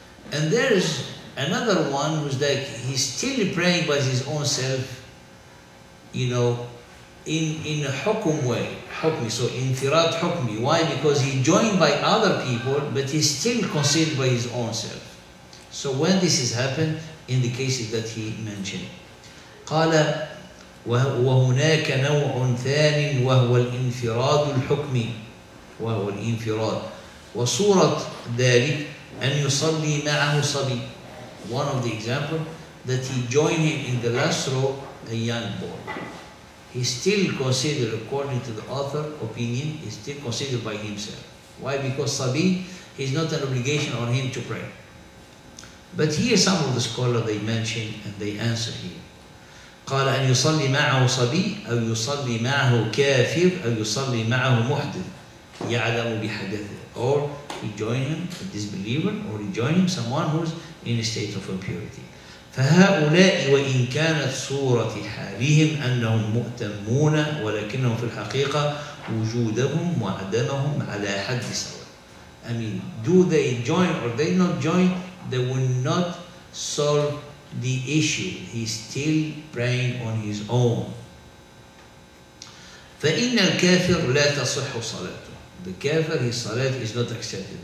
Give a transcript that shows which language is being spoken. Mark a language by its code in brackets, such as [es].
[en] And there is another one who's like he's still praying by his own self, you know, in a hukum way, hukmi, so infirad hukmi. Why? Because he joined by other people, but he's still considered by his own self. So when this has happened, in the cases that he mentioned. [ar] قال وهناك نوع ثان وهو الانفراد الحكمي وهو الانفراد وصورة ذلك أن يصلي معه صبي. [en] One of the example that he joined him in the last row, a young boy. He still considered, according to the author opinion, he still considered by himself. Why? Because صبي is not an obligation on him to pray. But here some of the scholars they mention and they answer here. [ar] قال أن يصلي معه صبي أو يصلي معه كافر أو يصلي معه محدث يعلم بحدثه. [en] Or he joined him, a disbeliever, or he joined him, someone who's in a state of impurity. [ar] فهؤلاء وإن كانت صورة حالهم أنهم مؤتمون ولكنهم في الحقيقة وجودهم وعدمهم على حد سواء. [en] I mean, do they join or they not join? They will not solve the issue. He's still praying on his own. [ar] فَإِنَّ الْكَافِرُ لَا تَصُحُّ صَلَاتُهُ. [en] The kafir, his salat is not accepted.